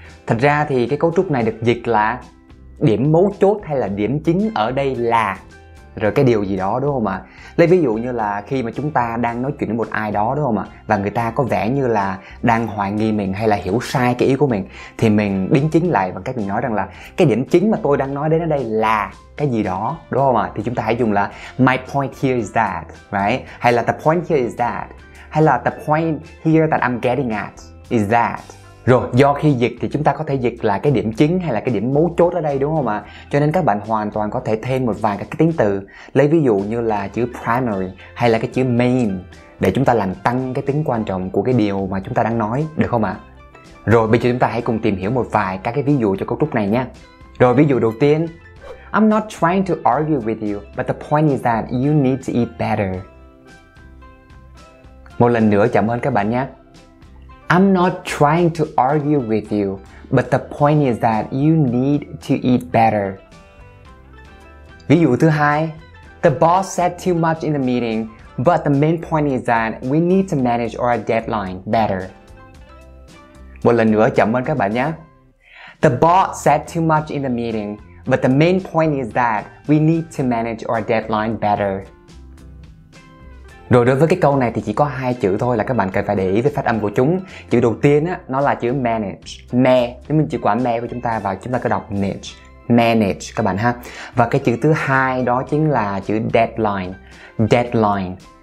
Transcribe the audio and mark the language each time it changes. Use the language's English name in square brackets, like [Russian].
[Vietnamese] Thật ra thì cái cấu trúc này được dịch là điểm mấu chốt hay là điểm chính ở đây là rồi cái điều gì đó, đúng không ạ? Lấy ví dụ như là khi mà chúng ta đang nói chuyện với một ai đó, đúng không ạ? Và người ta có vẻ như là đang hoài nghi mình hay là hiểu sai cái ý của mình, thì mình đính chính lại bằng cách mình nói rằng là cái điểm chính mà tôi đang nói đến ở đây là cái gì đó, đúng không ạ? Thì chúng ta hãy dùng là [English] my point here is that, right? [Vietnamese] Hay là [English] the point here is that, [Vietnamese] hay là [English] the point here that I'm getting at is that. [Vietnamese] Rồi, do khi dịch thì chúng ta có thể dịch là cái điểm chính hay là cái điểm mấu chốt ở đây, đúng không ạ? Cho nên các bạn hoàn toàn có thể thêm một vài các cái tiếng từ. Lấy ví dụ như là chữ primary hay là cái chữ main, để chúng ta làm tăng cái tính quan trọng của cái điều mà chúng ta đang nói, được không ạ? Rồi, bây giờ chúng ta hãy cùng tìm hiểu một vài các cái ví dụ cho cấu trúc này nha. Rồi, ví dụ đầu tiên. [English] I'm not trying to argue with you, but the point is that you need to eat better. [Vietnamese] Một lần nữa cảm ơn các bạn nhé. [English] I'm not trying to argue with you, but the point is that you need to eat better. [Vietnamese] Ví dụ thứ hai. [English] The boss said too much in the meeting, but the main point is that we need to manage our deadline better. [Vietnamese] Một lần nữa cảm ơn các bạn nhé. [English] The boss said too much in the meeting, but the main point is that we need to manage our deadline better. [Vietnamese] Rồi đối với cái câu này thì chỉ có hai chữ thôi là các bạn cần phải để ý về phát âm của chúng. Chữ đầu tiên á, nó là chữ manage, me. Nếu mình chữ quả me của chúng ta vào, chúng ta có đọc niche, manage các bạn ha. Và cái chữ thứ hai đó chính là chữ deadline, deadline.